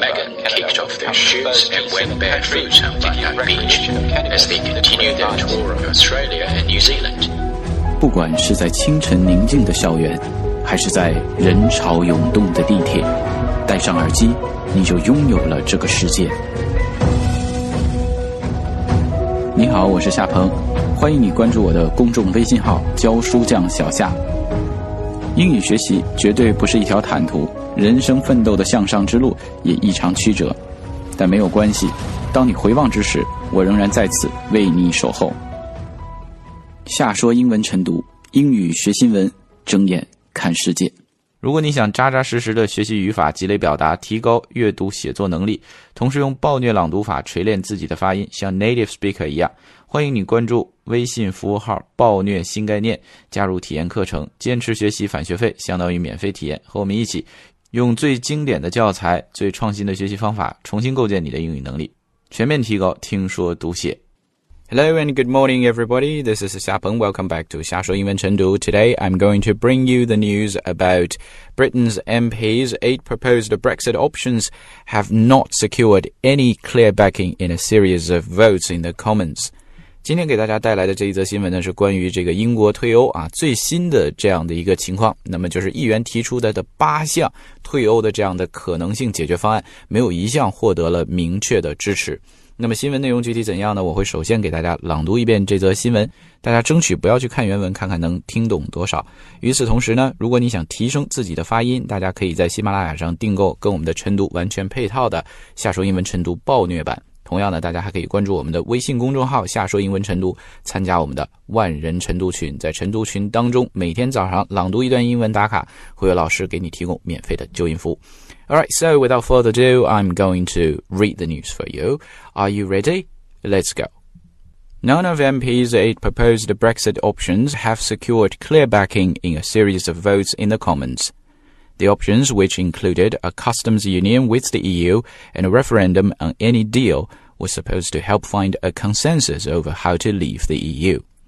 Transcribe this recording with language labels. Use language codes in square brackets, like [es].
[en] Megan kicked off their shoots and went barefoot on Bondi Beach as they continued their tour of Australia and New Zealand. [zh] 不管是在清晨宁静的校园，还是在人潮涌动的地铁，戴上耳机，你就拥有了这个世界。你好，我是夏鹏，欢迎你关注我的公众微信号教书匠小夏。英语学习绝对不是一条坦途，人生奋斗的向上之路也异常曲折，但没有关系，当你回望之时，我仍然在此为你守候。夏说英文晨读，英语学新闻，睁眼看世界。如果你想扎扎实实的学习语法，积累表达，提高阅读写作能力，同时用暴虐朗读法锤炼自己的发音，像 native speaker 一样，欢迎你关注微信服务号暴虐新概念，加入体验课程，坚持学习返学费相当于免费体验，和我们一起用最经典的教材，最创新的学习方法，重新构建你的英语能力，全面提高听说读写。 [en] Hello and good morning, everybody. This is Xia Peng. Welcome back to 瞎说英文晨读. Today, I'm going to bring you the news about Britain's MPs. 8 proposed Brexit options have not secured any clear backing in a series of votes in the Commons. [zh] 今天给大家带来的这一则新闻呢，是关于这个英国退欧啊最新的这样的一个情况。那么就是议员提出的八项退欧的这样的可能性解决方案，没有一项获得了明确的支持。那么新闻内容具体怎样呢？我会首先给大家朗读一遍这则新闻，大家争取不要去看原文，看看能听懂多少。与此同时呢，如果你想提升自己的发音，大家可以在喜马拉雅上订购跟我们的晨读完全配套的夏说英文晨读暴虐版。同样呢，大家还可以关注我们的微信公众号夏说英文晨读，参加我们的万人晨读群，在晨读群当中每天早上朗读一段英文打卡，会有老师给你提供免费的纠音服务。 [en] Alright, so without further ado, I'm going to read the news for you. Are you ready? Let's go. None of MPs' 8 proposed Brexit options have secured clear backing in a series of votes in the Commons. The options, which included a customs union with the EU and a referendum on any deal, were supposed to help find a consensus over how to leave the EU.